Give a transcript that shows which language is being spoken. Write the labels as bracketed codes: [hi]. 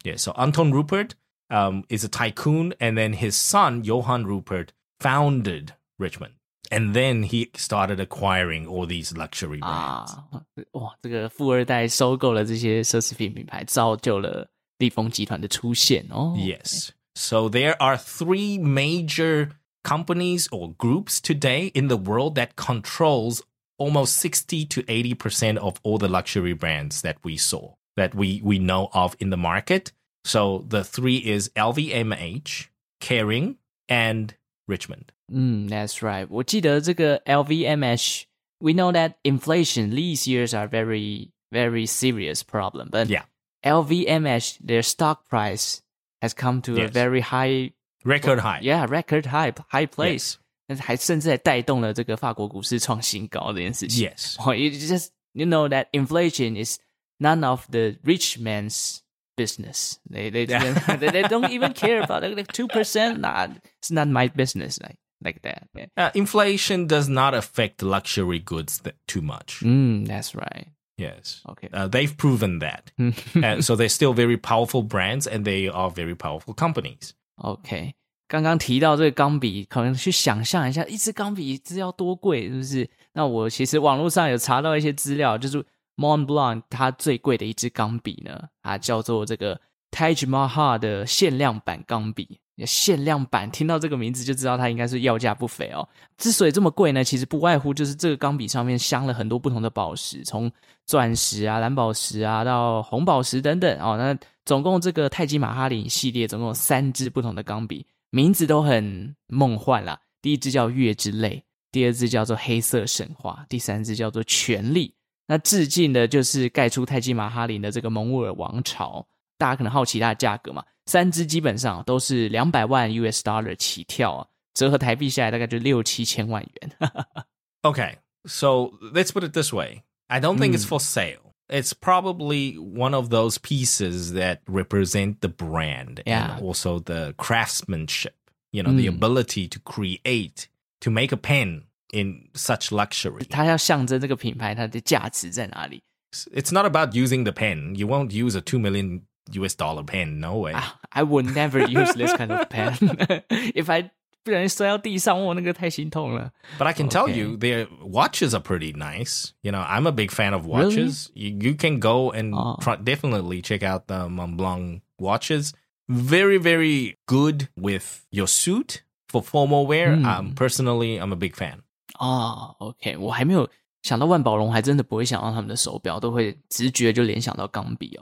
[en] Yeah, so Anton Rupert is a tycoon, and then his son, Johann Rupert, founded Richmond. And then he started acquiring all these luxury brands. [zh] 这个富二代收购了这些奢侈品品牌，造就了利丰集团的出现。 [en] Yes, so there are three major companies or groups today in the world that controls almost 60 to 80% of all the luxury brands that we saw, that we know of in the market. So the three is LVMH, Kering, and Richmond. That's right. [zh] 我记得这个 [en] LVMH, we know that inflation these years are very, very serious problem. But yeah. LVMH, their stock price has come to a very high record high. Yeah, record high place. Yes. [zh] 还甚至还带动了这个法国股市创新高这件事情。 Yes. [en] You know that inflation is none of the rich man's business. They don't even care about like 2%. Nah, it's not my business like that. Yeah. Inflation does not affect luxury goods too much. That's right. Yes. Okay. They've proven that. So they're still very powerful brands and they are very powerful companies. [zh] OK, 刚刚提到这个钢笔，可能去想象一下，一支钢笔这要多贵，是不是？那我其实网络上有查到一些资料，就是 Montblanc 它最贵的一支钢笔呢，它叫做这个 Taj Mahal 的限量版钢笔，限量版，听到这个名字就知道它应该是要价不菲哦。之所以这么贵呢，其实不外乎就是这个钢笔上面镶了很多不同的宝石，从钻石啊、蓝宝石啊到红宝石等等哦。那总共这个泰姬玛哈林系列总共有三支不同的钢笔，名字都很梦幻啦。第一支叫月之泪，第二支叫做黑色神话，第三支叫做权力。那致敬的就是盖出泰姬玛哈林的这个蒙兀尔王朝。大家可能好奇它的价格嘛，三支基本上都是$200,000 起跳啊，折合台币下来大概就6,000-7,000元。 [en] Okay, so let's put it this way. I don't think it's for sale. It's probably one of those pieces that represent the brand and also the craftsmanship, you know, the ability to create, to make a pen in such luxury. [zh] 它要象征这个品牌它的价值在哪里。 [en] It's not about using the pen. You won't use a $2 million pen, no way. I would never use this kind of pen. If I [zh] 不然摔到地上，我那个太心痛了。 [en] But I can tell you, their watches are pretty nice. You know, I'm a big fan of watches. Really? You can go and definitely check out the Montblanc watches. Very, very good with your suit for formal wear. Personally, I'm a big fan. Oh, okay. [zh] 我还没有想到万宝龙，还真的不会想到他们的手表，都会直觉就联想到钢笔。